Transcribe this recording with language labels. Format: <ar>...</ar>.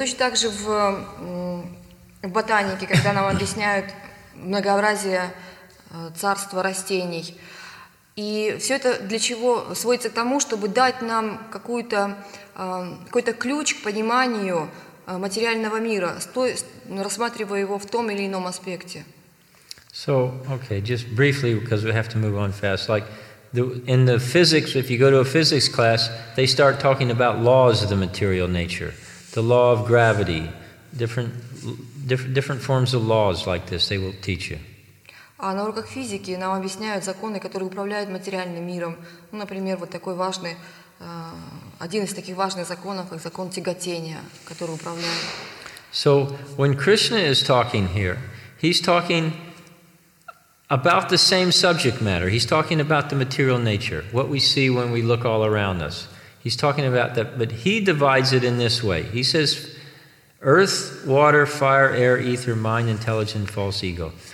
<ru>Точно так же в ботанике, когда нам объясняют многообразие царства растений. И все это для чего сводится к тому, чтобы дать нам какой-то ключ к пониманию материального мира, рассматривая его в том или ином аспекте.</ru> <en>So, okay, just briefly, because we have to move on fast. Like, in the physics, if you go to a physics class, they start talking about laws of the material nature, the law of gravity, different forms of laws like this they will teach you.</en> <ru>А на уроках физики нам объясняют законы, которые управляют материальным миром. Ну, например, вот такой важный, один из таких важных законов, как закон тяготения, который управляет.</ru> <en>So, when Krishna is talking here, he's talking about the same subject matter. He's talking about the material nature, what we see when we look all around us. He's talking about that, but he divides it in this way. He says, earth, water, fire, air, ether, mind, intelligence, false ego.</en>